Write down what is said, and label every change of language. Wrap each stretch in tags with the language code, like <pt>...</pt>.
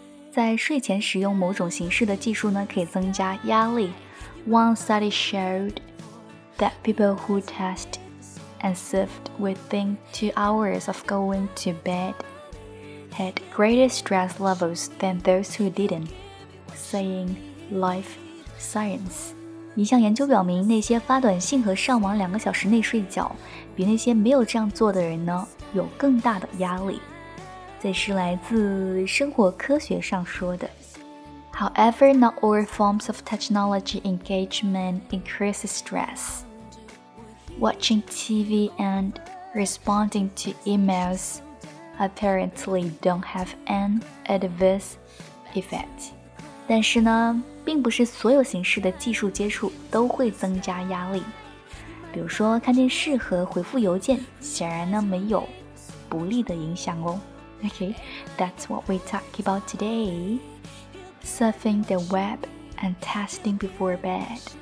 <zh>在睡前使用某种形式的技术呢，可以增加压力。</zh> <en>One study showedthat people who text and surfed within 2 hours of going to bed had greater stress levels than those who didn't, saying life science.</en> <zh>一项研究表明，那些发短信和上网两个小时内睡觉，比那些没有这样做的人呢，有更大的压力。这是来自生活科学上说的。</zh> <en>However, not all forms of technology engagement increase stress. Watching TV and responding to emails apparently don't have an adverse effect.</en> <zh>但是呢，并不是所有形式的技术接触都会增加压力。比如说看电视和回复邮件，显然呢没有不利的影响哦。</zh> <en>Okay, that's what we talk about today. Surfing the web and texting before bed.</en>